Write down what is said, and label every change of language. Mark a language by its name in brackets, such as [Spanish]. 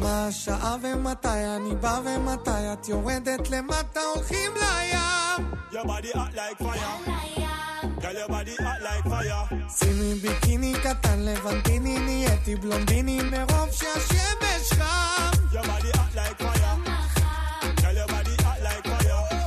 [Hebrew] שעה ומתי אני בא ומתי את יורדת למטה הולכים לים [English] Your body act like fire Girl your body act like fire [Hebrew] שימי ביקיני קטן לבנטיני נהייתי בלונדיני מרוב שהשמש חם [English] Your body act like fire Girl your body act like fire